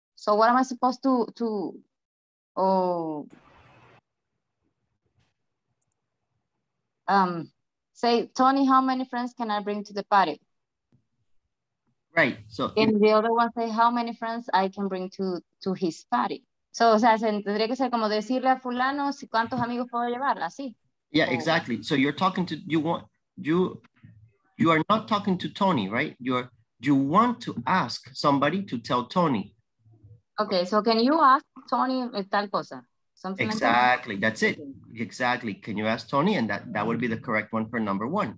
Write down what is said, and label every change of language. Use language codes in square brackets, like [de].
[en] So what am I supposed to say, Tony, how many friends can I bring to the party? Right, so. And the other one say, how many friends I can bring to his party? [es] So, o sea, se tendría que ser como decirle a fulano si cuántos amigos puedo llevar, así. [en] Yeah, exactly. So you're talking to, you are not talking to Tony, right? You want to ask somebody to tell Tony. Okay, so can you ask Tony [es] tal cosa? [en] Something exactly, like that? That's it. Exactly. Can you ask Tony? And that would be the correct one for number one.